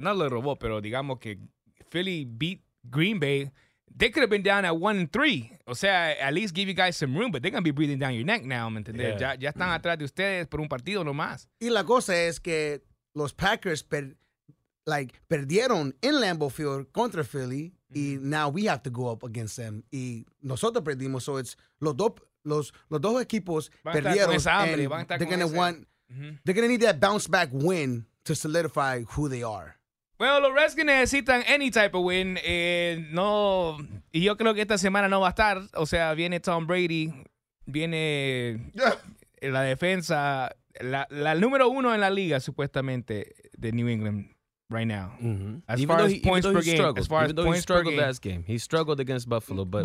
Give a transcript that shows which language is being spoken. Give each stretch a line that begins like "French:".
Spanish: No le robó, pero digamos que
English: Philly beat Green Bay. They could have been down at 1-3.
Spanish: O sea,
English: at least give you guys some room, but they're going to be breathing down your neck now,
Spanish: ¿me entiendes?
English: Yeah.
Spanish: Ya están atrás de ustedes por un partido nomás. Y la cosa es que los Packers perdieron en Lambeau Field contra Philly, y
English: now we have to go up against them.
Spanish: Y nosotros perdimos,
English: so it's
Spanish: los dos equipos perdieron. Van a estar con esa hambre.
English: They're going to need that bounce back win to solidify who they are.
Spanish: Bueno, los Redskins necesitan
English: any type of win.
Spanish: No, y yo creo que esta semana no va a estar. O sea, viene Tom Brady, viene la defensa, la número uno en la liga, supuestamente, de New England
English: right now. Mm-hmm. As far as points per game, he struggled against Buffalo. But